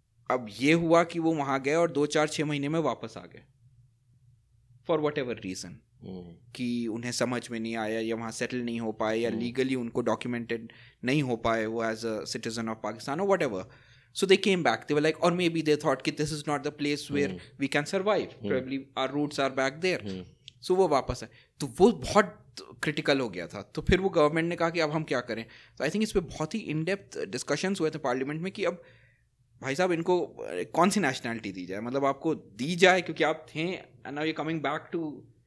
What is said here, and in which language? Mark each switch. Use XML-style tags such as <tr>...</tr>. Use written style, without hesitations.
<ur>اب یہ ہوا کہ وہ وہاں گئے اور 2-4-6 مہینے میں واپس آ گئے</ur> <en>for whatever reason,</en> <ur>کہ انہیں سمجھ میں نہیں آیا یا وہاں سیٹل نہیں ہو پائے یا لیگلی ان کو ڈاکیومینٹڈ نہیں ہو پائے وہ</ur> <en>as a citizen of Pakistan</en> <ur>اور what ever.</ur> <en>so they came back, they were like اور maybe they thought</en> <ur>کہ</ur> <en>This is not the place where we can survive, probably our roots are back there.</en> <ur>سو وہ واپس آئے تو وہ بہت critical ہو گیا تھا. تو پھر وہ گورنمنٹ نے کہا کہ اب ہم کیا کریں. تو آئی تھنک اس پہ بہت ہی ان ڈیپتھ ڈسکشنس ہوئے تھے پارلیمنٹ میں کہ اب بھائی صاحب ان کو کون سی نیشنلٹی دی جائے, مطلب آپ کو دی جائے کیونکہ آپ تھے</ur> <en>And now you coming back to.</en>